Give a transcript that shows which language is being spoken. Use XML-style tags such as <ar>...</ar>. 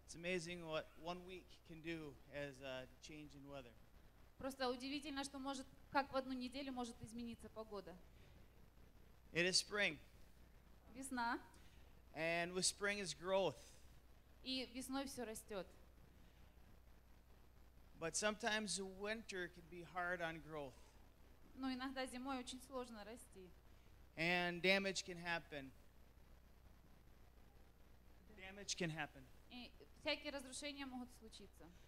<en>It's amazing what one week can do as a change in weather.</en> <ru>Просто удивительно, что может как в одну неделю может измениться погода.</ru> <en>It is spring.</en> <ru>Весна.</ru> <en>And with spring is growth.</en> <ru>И весной все растет.</ru> <en>But sometimes winter can be hard on growth.</en> <ru>Но иногда зимой очень сложно расти.</ru> <en>And damage can happen. Damage can happen.</en> <ru>И всякие разрушения могут случиться.</ru>